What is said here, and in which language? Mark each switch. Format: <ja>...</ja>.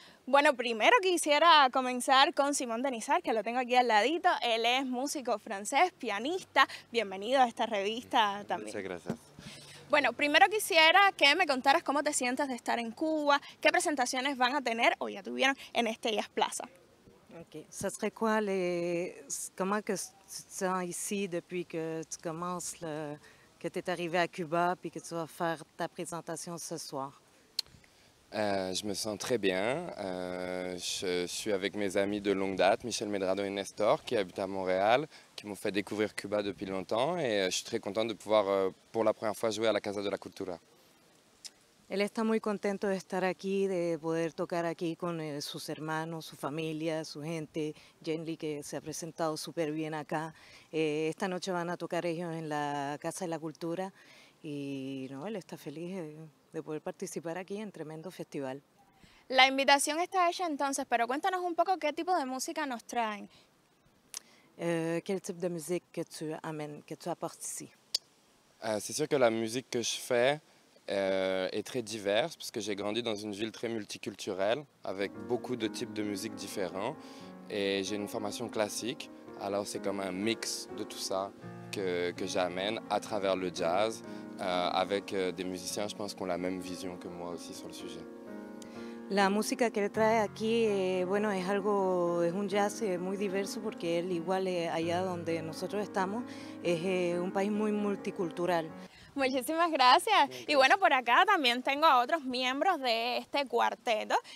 <es>Bueno, primero quisiera comenzar con Simón Denizar, que lo tengo aquí al ladito. Él es músico francés, pianista. Bienvenido a esta revista también. Muchas gracias. Bueno, primero quisiera que me contaras cómo te sientes de estar en Cuba, qué presentaciones van a tener o ya tuvieron en este Jazz Plaza.</es> <fr>Okay, ça serait quoi les comment que tu te sens ici depuis que tu commences le que tu es arrivé à Cuba puis que tu vas faire ta présentation ce soir. Je me sens très bien. Je suis avec mes amis de longue date, Michel Medrado et Nestor, qui habitent à Montréal, qui m'ont fait découvrir Cuba depuis longtemps. Et je suis très content de pouvoir, pour la première fois, jouer à la Casa de la Cultura.</fr> <es>Él está muy contento de estar aquí, de poder tocar aquí con sus hermanos, su familia, su gente. Jenly, que se ha presentado súper bien acá. Esta noche van a tocar ellos en la Casa de la Cultura. Y no, él está feliz de poder participar aquí en tremendo festival. La invitación está hecha entonces, pero cuéntanos un poco qué tipo de música nos traen. ¿Qué tipo de música que tú</es> <fr>amènes, que tú apportes ici? C'est sûr que la musique que je fais est très diverse, parce que j'ai grandi dans une ville très multiculturelle, avec beaucoup de types de musique différents, et j'ai une formation classique, alors c'est comme un mix de tout ça que j'amène à travers le jazz. Avec des musiciens, je pense qu'on a la même vision que moi aussi sur le sujet.</fr> <es>La música que él trae aquí, bueno, es algo, es un jazz muy diverso, porque él, igual allá donde nosotros estamos, es un país muy multicultural. Muchísimas gracias. Y bueno, por acá también tengo a otros miembros de este cuarteto.</es>